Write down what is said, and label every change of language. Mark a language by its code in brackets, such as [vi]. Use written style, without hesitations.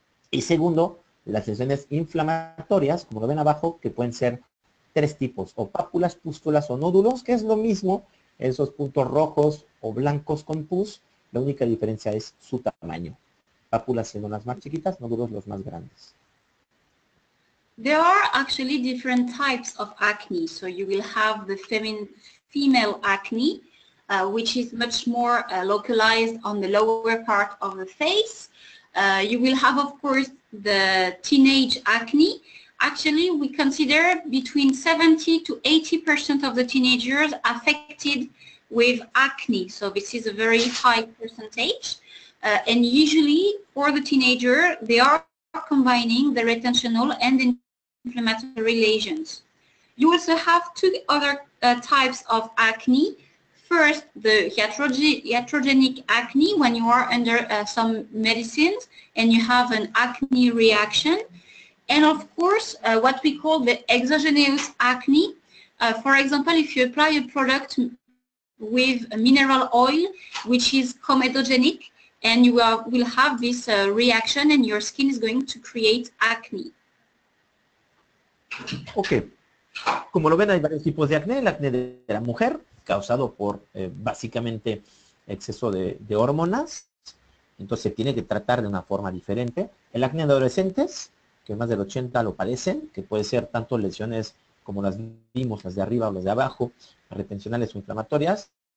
[es] Y segundo, las lesiones inflamatorias, como lo ven abajo, que pueden ser tres tipos, o pápulas, pústulas o nódulos, que es lo mismo, esos puntos rojos o blancos con pus, la única diferencia es su tamaño. Pápulas siendo las más chiquitas, nódulos los más grandes. [en] There are actually different types of acne. So you will have the female acne, which is much more localized on the lower part of the face. You will have, of course, the teenage acne. Actually, we consider between 70 to 80% of the teenagers affected with acne. So this is a very high percentage. And usually, for the teenager, they are combining the retentional and the inflammatory lesions. You also have two other types of acne. First, the iatrogenic acne, when you are under some medicines and you have an acne reaction. And of course, what we call the exogenous acne. For example, if you apply a product with a mineral oil, which is comedogenic, and you will have this reaction and your skin is going to create acne. [es] Ok, como lo ven, hay varios tipos de acné. El acné de la mujer, causado por básicamente exceso de hormonas. Entonces, tiene que tratar de una forma diferente. El acné de adolescentes, que más del 80 lo padecen, que puede ser tanto lesiones como las vimos, las de arriba o las de abajo, retencionales o inflamatorias.